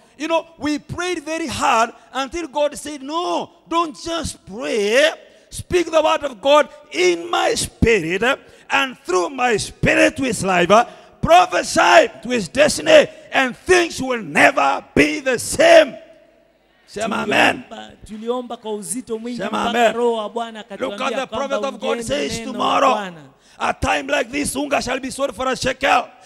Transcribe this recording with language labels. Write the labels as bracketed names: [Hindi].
[English] You know, we prayed very hard until God said, no, don't just pray. Speak the word of God in my spirit and through my spirit to his life, prophesy to his destiny, and things will never be the same. [Swahili] Sema amen. Tuliomba kwa uzito mwingi kwa roho wa Bwana akatuambia. [English] Look at the prophet of God says tomorrow, a time like this, unga shall be sold for a shekel.